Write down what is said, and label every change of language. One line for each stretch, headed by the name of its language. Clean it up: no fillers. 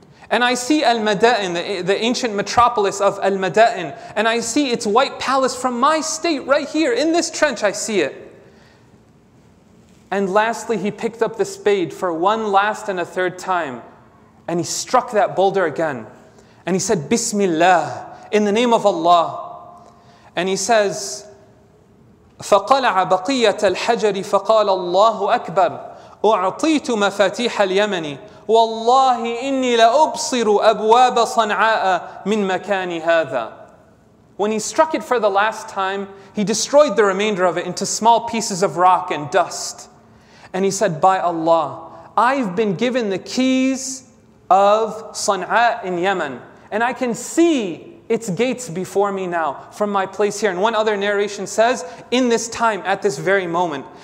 English: And I see Al-Mada'in, the ancient metropolis of Al-Mada'in, and I see its white palace from my state right here in this trench, I see it. And lastly, he picked up the spade for one last and a third time. And he struck that boulder again. And he said, Bismillah, in the name of Allah. And he says,
Arabic: فَقَلَعَ بَقِيَّةَ الْحَجَرِ فَقَالَ اللَّهُ أَكْبَرُ أُعْطِيتُ مَفَاتِيحَ الْيَمَنِ وَاللَّهِ إِنِّي لَأُبْصِرُ أَبْوَابَ صَنْعَاءَ مِنْ مَكَانِ هَذَا.
English: When he struck it for the last time, he destroyed the remainder of it into small pieces of rock and dust. And he said, by Allah, I've been given the keys of Sana'a in Yemen. And I can see its gates before me now from my place here. And one other narration says, in this time, at this very moment.